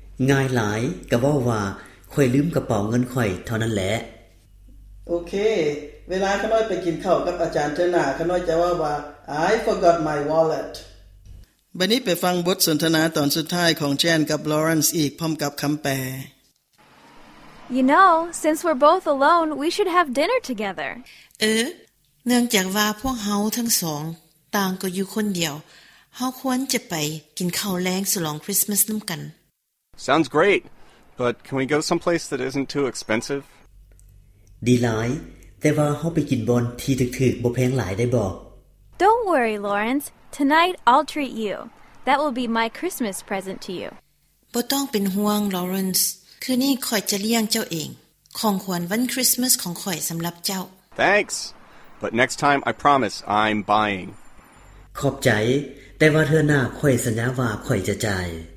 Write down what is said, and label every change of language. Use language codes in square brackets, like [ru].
[tts] ง่ายหลายก็เว้าว่าข้อยลืมกระเป๋าเงินข้อยเท่านั้นแหละ โอเคเวลาข้าน้อยไปกินข้าวกับอาจารย์เทน่าข้าน้อยจะว่าว่า [en] I forgot my wallet [tts] บัดนี้ไปฟังบทสนทนาตอนสุดท้ายของเจนกับลอเรนซ์อีกพร้อมกับคําแปล [en] You know, since we're both alone, we should have dinner together. [tts] เนื่องจากว่าพวกเฮาทั้งสองต่างก็อยู่คนเดียวเฮาควรจะไปกินข้าวแลงฉลองคริสต์มาสนํากัน [en] Sounds great. But can we go someplace that isn't too expensive? [tts] ดีหลายแต่ว่าเฮาไปกินบนที่ถูกๆบ่แพงหลายได้บ่ [en] Don't worry, Lawrence. Tonight, I'll treat you. That will be my Christmas present to you. [tts] บ่ต้องเป็นห่วง Lawrence. คืนนี้ข้อยจะเลี้ยงเจ้าเองของขวัญวันคริสต์มาสของข้อยสําหรับเจ้า [en] Thanks. But next time, I promise I'm buying. [tts] ขอบใจแต่ว่าเทื่อหน้าข้อยสัญญาว่าข้อยจะจ่าย